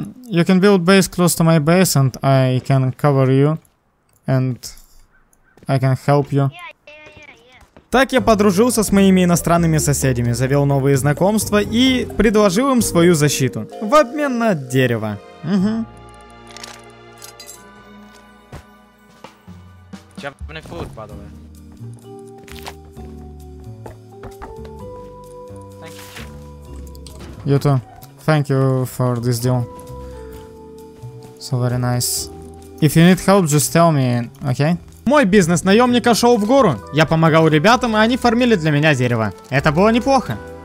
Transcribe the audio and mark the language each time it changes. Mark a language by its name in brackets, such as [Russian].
[English] You can build base close to my base and I can cover you. And I can help you. [Russian] Так я подружился с моими иностранными соседями, завел новые знакомства и предложил им свою защиту. В обмен на дерево. Угу. Чапный фуд, падавай. [English] You too. Thank you for this deal. So very nice. If you need help, just tell me, okay? [Russian] Мой бизнес наемника шел в гору. Я помогал ребятам, и они фармили для меня дерево. Это было неплохо.